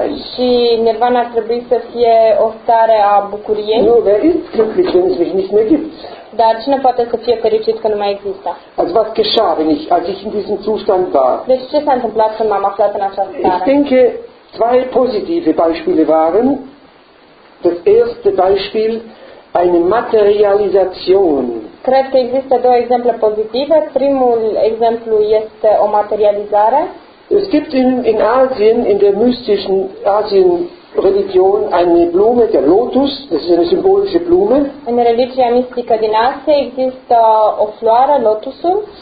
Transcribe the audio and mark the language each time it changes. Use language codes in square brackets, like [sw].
[ro] Și Nirvana ar trebui să fie o stare a bucuriei. [de] Nu, wer ist glücklich, wenn es mich nicht mehr gibt? [ro] Dar cine poate să fie fericit că nu mai există? [de] Also was geschah, als ich in diesem Zustand war? [ro] Deci ce s-a întâmplat când m-am aflat în această stare? [de] Ich denke, zwei positive Beispiele waren. Das erste Beispiel, eine Materialisation. [ro] Cred că există două exemple pozitive. Primul exemplu este o materializare. [de] Es gibt in Asien, in der mystischen Asien-Religion, eine Blume, der Lotus, das ist eine symbolische Blume. [ro] În religia mistică din Asia există o floare, lotusul,